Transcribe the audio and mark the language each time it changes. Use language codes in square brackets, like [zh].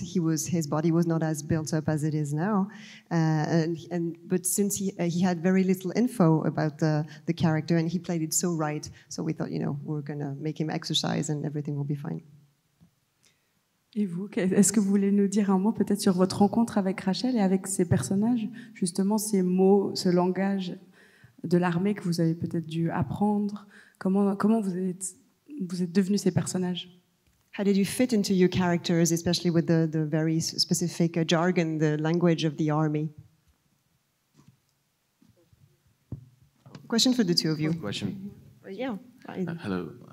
[en] His body was not as built up as it is now, but since he had very little info about the character, and he played it so right, so we thought, you know, we're gonna make him exercise, and everything will be fine. [fr] Et vous, est-ce que vous voulez nous dire un mot peut-être sur votre rencontre avec Rachel et avec ces personnages, justement ces mots, ce langage de l'armée que vous avez peut-être dû apprendre? Comment vous êtes devenus ces personnages? [en] How did you fit into your characters, especially with the very specific jargon, the language of the army? Question for the two of you. Question. Yeah. Hello.